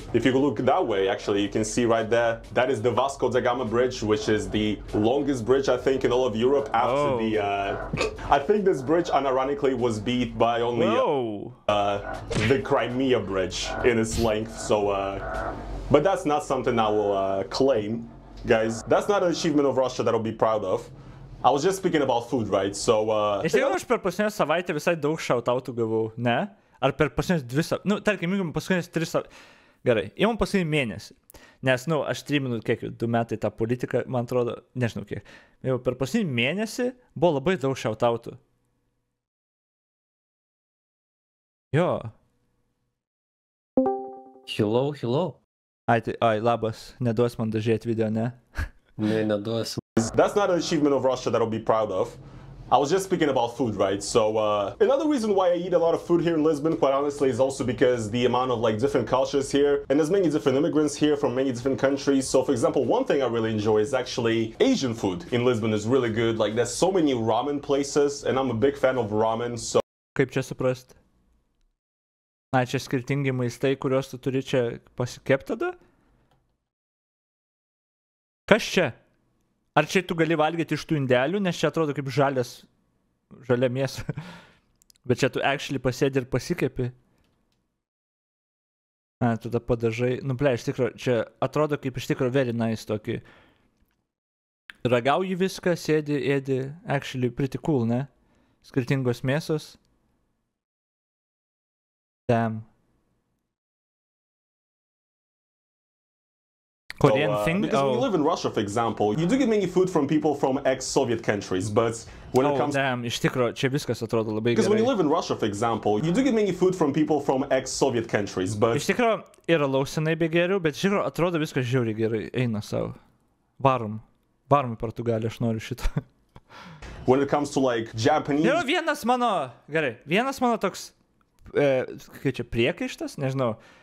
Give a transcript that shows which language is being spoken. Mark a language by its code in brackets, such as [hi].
[en] If you look that way, actually, you can see right there, that is the Vasco da Gama Bridge, which is the longest bridge, I think, in all of Europe after the... I think this bridge, unironically, was beat by only the Crimea Bridge in its length. So, but that's not something I will claim, guys. That's not an achievement of Russia that I'll be proud of. I was just speaking about food, right? So, [lt] Esi jau aš per paskutinę savaitę visai daug shoutoutų gavau, ne? Ar per paskutinės dvi savaitės, nu, tarkim, jau paskutinės tris savaitės. Gerai, imam paskutinį mėnesį. Nes, nu, aš streaminu, kiek jau, 2 metai tą politiką, man atrodo, nežinau kiek. Jau per paskutinį mėnesį buvo labai daug shoutoutų. Jo. [en] Hello, hello. [lt] Ai, labas, neduos man dažėti video, ne? Ne, neduos. [en] That's not an achievement of Russia that I'll be proud of. I was just speaking about food, right? So another reason why I eat a lot of food here in Lisbon, quite honestly, is also because the amount of like different cultures here, and there's many different immigrants here from many different countries. So for example, one thing I really enjoy is actually Asian food in Lisbon is really good. Like there's so many ramen places, and I'm a big fan of ramen, so... [lt] Kaip čia suprast? Na, čia skirtingi maistai, kuriuos tu turi čia pasikept tada? Kas čia? Ar čia tu gali valgyti iš tų indelių, nes čia atrodo kaip žalias, žalia mėsa. Bet čia tu actually pasėdi ir pasikepi. Na, tada padažai. Nu, ble, iš tikro, čia atrodo kaip iš tikro [en] very nice [lt] tokį. Ragauji viską, sėdi, ėdi, [en] actually pretty cool, [lt] ne? Skirtingos mėsos. [en] Damn. Korean thing? Because when you live in Russia, for example, you do get many food from people from ex-Soviet countries, but when it comes... Oh, damn, [lt] iš tikro, čia viskas atrodo labai gerai. [en] Because when you live in Russia, for example, you do get many food from people from ex-Soviet countries, but... [lt] Iš tikro, yra lausinai be geriau, bet iš tikro, atrodo viskas žiauriai gerai, eina savo. Varum. Varum į Portugaliją, aš noriu šitą. [en] When it comes to, like, Japanese... [lt] Yra vienas mano, gerai, vienas mano toks, kai čia, priekaištas, nežinau...